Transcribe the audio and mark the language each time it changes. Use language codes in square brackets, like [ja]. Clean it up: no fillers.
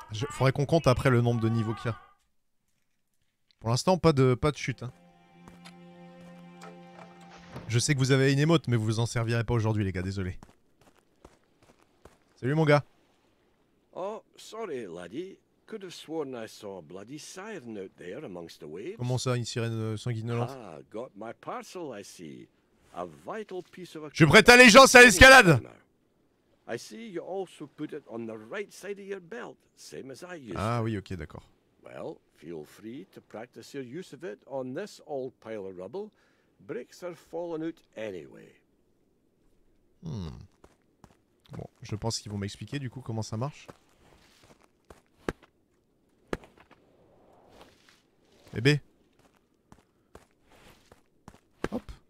[fr] Faudrait qu'on compte après le nombre de niveaux qu'il y a. Pour l'instant, pas de chute. Hein. Je sais que vous avez une émote, mais vous en servirez pas aujourd'hui, les gars, désolé. Salut, mon gars. [en] Oh, sorry, laddie. Could have sworn I saw a bloody siren out there amongst the waves. [fr] Comment ça, une sirène sanguinolente? [en] Ah, got my parcel, I see. A vital piece of a... [fr] Je prête allégeance à l'escalade. [en] I see you also put it on the right side of your belt, same as I used. [fr] Ah oui, ok, d'accord. [en] Well, feel free to practice your use of it on this old pile of rubble. Bricks are falling out anyway. Hmm. [fr] Bon, je pense qu'ils vont m'expliquer du coup comment ça marche. Bébé. Hop.